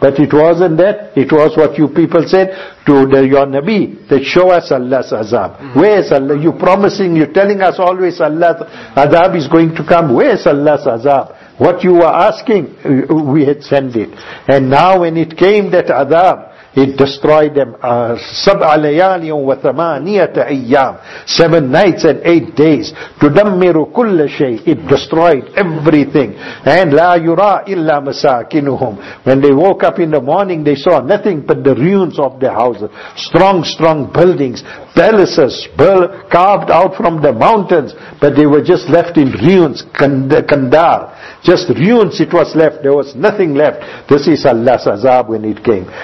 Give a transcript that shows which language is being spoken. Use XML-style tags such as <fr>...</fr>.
<en>But it wasn't that. It was what you people said to your Nabi, that show us Allah's azab. Where is Allah? You promising, you telling us always Allah's azab is going to come. Where is Allah's azab? What you were asking, we had sent it. And now when it came, that azab, it destroyed them.</en> <ar>سَبْعَ لَيَالٍ وَثَمَانِيَةَ أَيَّامٍ</ar> <en>7 nights and 8 days.</en> <ar>تُدَمِّرُ كُلَّ شَيْءٍ.</ar> <en>It destroyed everything. And</en> <ar>لَا يُرَى إِلَّا مَسَاكِنُهُمْ.</ar> <en>When they woke up in the morning, they saw nothing but the ruins of their houses. Strong, strong buildings. Palaces carved out from the mountains. But they were just left in ruins. Kandar. Just ruins it was left. There was nothing left. This is Allah's azab when it came.</en>